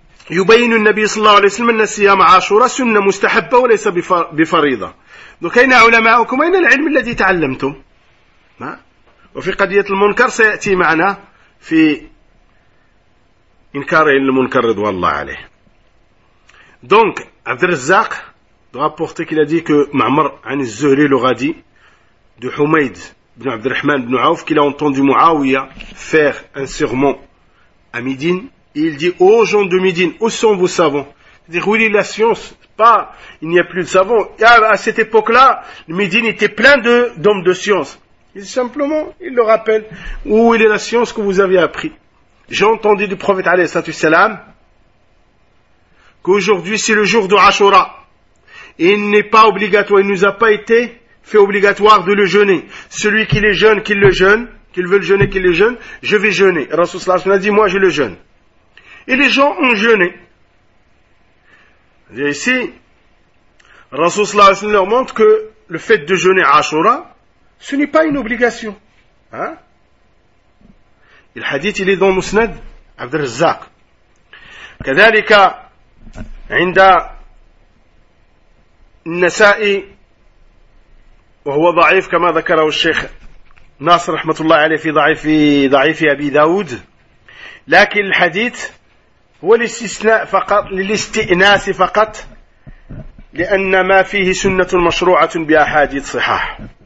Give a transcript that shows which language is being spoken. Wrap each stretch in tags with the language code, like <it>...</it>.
<ar>يبين النبي صلى الله عليه وسلم أن الصيام عاشوراء سنة مستحبة وليس بفريضة أين علماؤكم أين العلم الذي تعلمتم ما؟ وفي قضية المنكر سيأتي معنا في إنكار المنكر رضوان الله عليه.</ar> <fr>Donc عبد الرزاق rapporte qu'il a dit que معمر عن الزهري l'aura dit de حميد بن عبد الرحمن بن عوف qu'il a entendu Muawiya faire un sermon à Médine. Et il dit aux gens de Médine, où sont vos savants? C'est-à-dire, oui, la science, pas, il n'y a plus de savants. À cette époque-là, Médine était plein d'hommes de science. Et simplement, il le rappelle, où est la science que vous avez appris? J'ai entendu du prophète alayhi salatu wassalam qu'aujourd'hui c'est le jour de Ashura. Et il n'est pas obligatoire, il ne nous a pas été fait obligatoire de le jeûner. Celui qui le jeûne, qu'il le jeûne, qu'il veut le jeûner, qu'il le jeûne, je vais jeûner. Rasoul sallallahu alayhi wa sallam a dit, moi je le jeûne. Et les gens ont jeûné. Et ici, Rasoul sallallahu alayhi wa sallam leur montre que le fait de jeûner Ashura, ce n'est pas une obligation. Hein?</fr> <ar>الحديث اللي دون مسند عبد الرزاق كذلك عند النسائي وهو ضعيف كما ذكره الشيخ ناصر رحمة الله عليه في ضعيف أبي داود لكن الحديث هو الاستثناء فقط للاستئناس فقط لأن ما فيه سنة مشروعة بأحاديث صحاح</ar>